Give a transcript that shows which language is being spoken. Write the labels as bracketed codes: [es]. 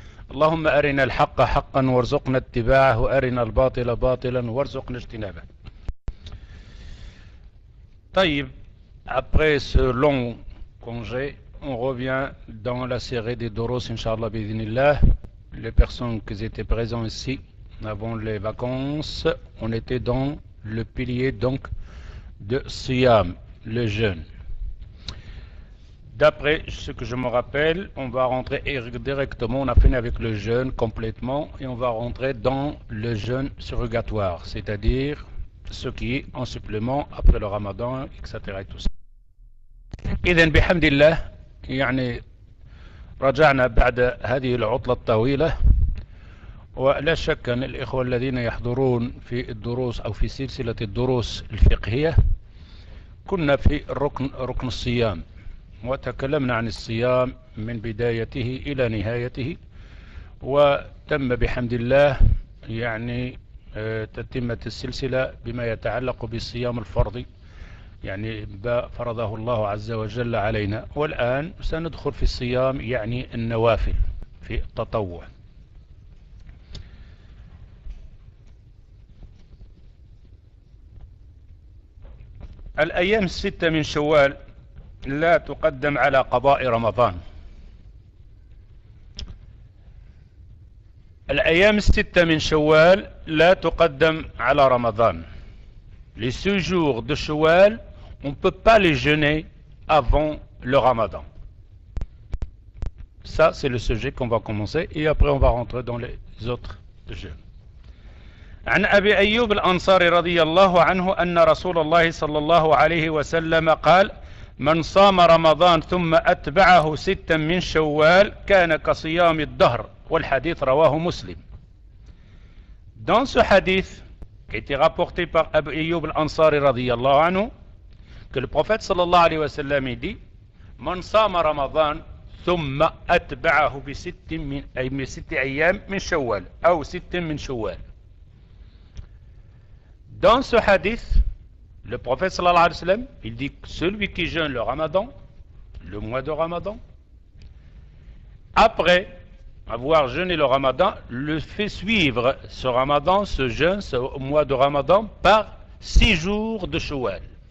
[ar] اللهم أرنا الحق حقا وارزقنا اتباعه، وأرنا الباطل باطلا وارزقنا اجتنابه. [fr] طيب، après ce long congé, on revient dans la série des doros, inshallah bidin Allah. Les personnes qui étaient présentes ici avant les vacances, on était dans le pilier donc de Siyam, le jeûne. D'après ce que je me rappelle, on va rentrer directement, on a fini avec le jeûne complètement, et on va rentrer dans le jeûne surrogatoire, c'est-à-dire ce qui est en supplément après le ramadan, etc. Et tout ça. [ar] إذن بحمد الله يعني رجعنا بعد هذه العطلة الطويلة، ولا شك أن الإخوة الذين يحضرون في الدروس أو في سلسلة الدروس الفقهية كنا في ركن الصيام، وتكلمنا عن الصيام من بدايته إلى نهايته، وتم بحمد الله يعني تتمة السلسلة بما يتعلق بالصيام الفرضي، يعني فرضه الله عز وجل علينا، والآن سندخل في الصيام يعني النوافل في التطوع. الأيام الستة من شوال لا تقدم على قضاء رمضان. الأيام الستة من شوال لا تقدم على رمضان. [fr] Les six jours de Shawwal, on ne peut pas les jeûner avant le ramadan. Ça, c'est le sujet qu'on va commencer et après on va rentrer dans les autres jeûnes. [ar] عن أبي أيوب الأنصاري رضي الله عنه أن رسول الله صلى الله عليه وسلم قال من صام رمضان ثم أتبعه ستا من شوال كان كصيام الدهر، والحديث رواه مسلم. [fr] Dans ce hadith qui était rapporté par Abu Ayyub al-Ansari [ar] رضي الله عنه, [fr] que le prophète [ar] صلى الله عليه وسلم dit من صام رمضان ثم أتبعه بست من أي ست أيام من شوال أو ست من شوال. [fr] Dans ce hadith, le prophète sallallahu alayhi wa sallam, il dit que celui qui jeûne le ramadan, le mois de ramadan, après avoir jeûné le ramadan, le fait suivre ce ramadan, ce jeûne, ce mois de ramadan, par six jours de Shawwal.